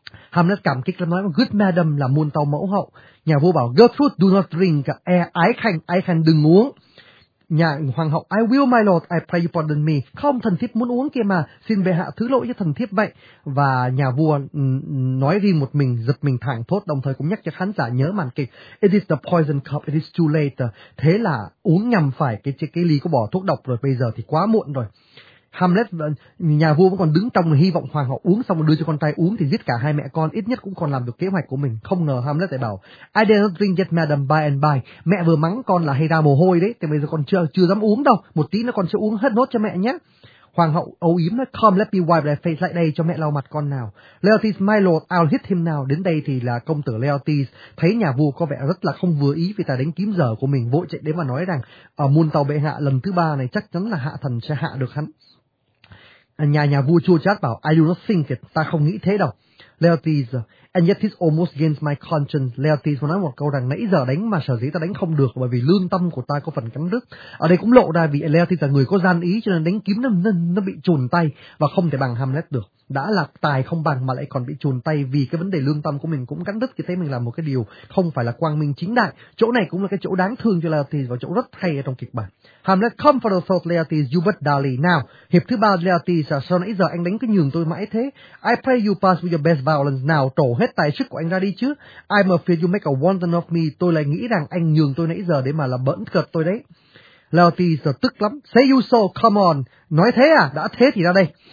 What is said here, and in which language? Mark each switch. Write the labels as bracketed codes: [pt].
[vi] Hamlet cảm kích lắm, nói [en] good madam, [vi] là muôn tàu mẫu hậu. Nhà vua bảo Gertrude, [en] do not drink, [vi] ái khanh đừng uống. Nhà hoàng hậu, [en] I will my lord, I pray you pardon me. [vi] Không, thần thiếp muốn uống kia mà, xin bệ hạ thứ lỗi cho thần thiếp vậy. Và nhà vua nói riêng một mình, giật mình thảng thốt, đồng thời cũng nhắc cho khán giả nhớ màn kịch. [en] It is the poison cup, it is too late. [vi] Thế là uống nhầm phải cái ly có bỏ thuốc độc rồi, bây giờ thì quá muộn rồi. Hamlet, nhà vua vẫn còn đứng trong hy vọng hoàng hậu uống xong đưa cho con trai uống thì giết cả hai mẹ con, ít nhất cũng còn làm được kế hoạch của mình. Không ngờ Hamlet lại bảo, [en] I did not drink yet, madam, by and by. [vi] Mẹ vừa mắng con là hay ra mồ hôi đấy, thì bây giờ con chưa dám uống đâu, một tí nữa con sẽ uống hết nốt cho mẹ nhé. Hoàng hậu âu yếm nói, [en] come let me wipe thy face, [vi] lại đây cho mẹ lau mặt con nào. [en] Laertes, my lord, I'll hit him now. [vi] Đến đây thì là công tử Laertes thấy nhà vua có vẻ rất là không vừa ý vì tài đánh kiếm dở của mình, vội chạy đến mà nói rằng, ở muôn tàu bệ hạ lần thứ ba này chắc chắn là hạ thần sẽ hạ được hắn. Nhà vua chua chát bảo, [en] I do not think it, [vi] ta không nghĩ thế đâu. [en] Laertes, and yet this almost against my conscience. [vi] Laertes nói một câu rằng, nãy giờ đánh mà sở dĩ ta đánh không được bởi vì lương tâm của ta có phần cắn rứt. Ở đây cũng lộ ra vì Laertes là người có gian ý, cho nên đánh kiếm nó bị chùn tay và không thể bằng Hamlet được. Đã là tài không bằng mà lại còn bị chùn tay vì cái vấn đề lương tâm của mình cũng cắn rứt, thì thấy mình làm một cái điều không phải là quang minh chính đại. Chỗ này cũng là cái chỗ đáng thương cho Laertes và chỗ rất hay ở trong kịch bản. [en] Hamlet, come for the sword, Laertes, you but dally. [vi] Now, hiệp thứ ba, Laertes, sao nãy giờ anh đánh cứ nhường tôi mãi thế? [en] I pray you pass with your best violence now, [vi] trổ hết tài sức của anh ra đi chứ. [en] I'm afraid you make a wanton of me, [vi] tôi lại nghĩ rằng anh nhường tôi nãy giờ để mà là bỡn cợt tôi đấy. Laertes tức lắm, [en] say you so, come on, [vi] nói thế à, đã thế thì ra đây.